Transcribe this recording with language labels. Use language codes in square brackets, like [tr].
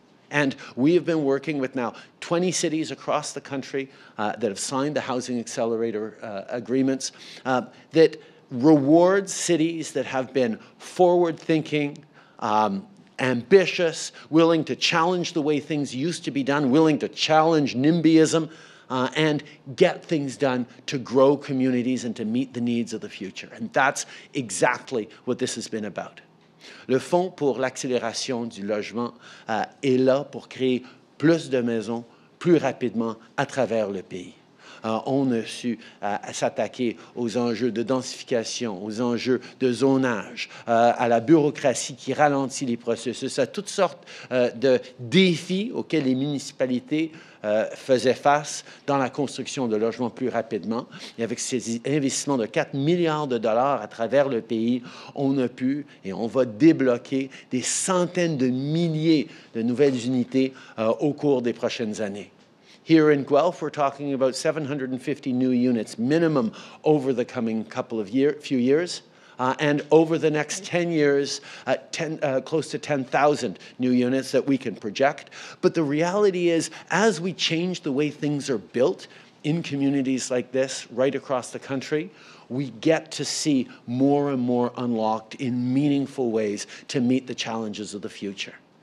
[en] And we have been working with now 20 cities across the country that have signed the Housing Accelerator agreements that reward cities that have been forward-thinking, ambitious, willing to challenge the way things used to be done, willing to challenge NIMBYism, and get things done to grow communities and to meet the needs of the future. And that's exactly what this has been about. [fr] Le Fonds pour l'accélération du logement est là pour créer plus de maisons plus rapidement à travers le pays. On a su s'attaquer aux enjeux de densification, aux enjeux de zonage, à la bureaucratie qui ralentit les processus, à toutes sortes de défis auxquels les municipalités faisaient face dans la construction de logements plus rapidement. Et avec ces investissements de 4 milliards de dollars à travers le pays, on a pu et on va débloquer des centaines de milliers de nouvelles unités au cours des prochaines années. [en] Here in Guelph, we're talking about 750 new units minimum over the coming few years. And over the next 10 years, close to 10,000 new units that we can project. But the reality is, as we change the way things are built in communities like this right across the country, we get to see more and more unlocked in meaningful ways to meet the challenges of the future.